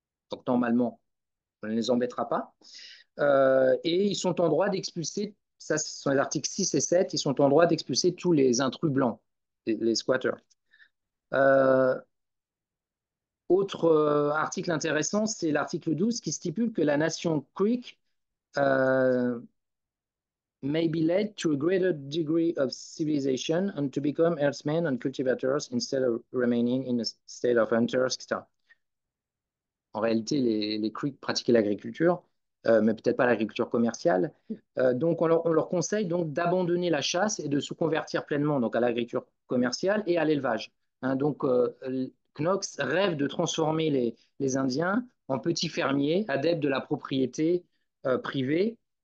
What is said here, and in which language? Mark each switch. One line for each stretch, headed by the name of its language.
French: Donc, normalement, on ne les embêtera pas. Et ils sont en droit d'expulser, ça, ce sont les articles 6 et 7, ils sont en droit d'expulser tous les intrus blancs, les squatters. Autre article intéressant, c'est l'article 12 qui stipule que la nation Creek.
English: May be led to a greater degree of civilization and to become herdsmen and cultivators instead of remaining in a state of hunters, etc.
French: En réalité, les Creeks pratiquaient l'agriculture, mais peut-être pas l'agriculture commerciale. Donc, on leur conseille donc d'abandonner la chasse et de se convertir pleinement donc à l'agriculture commerciale et à l'élevage. Hein, donc, Knox rêve de transformer les Indiens en petits fermiers, adeptes de la propriété privée.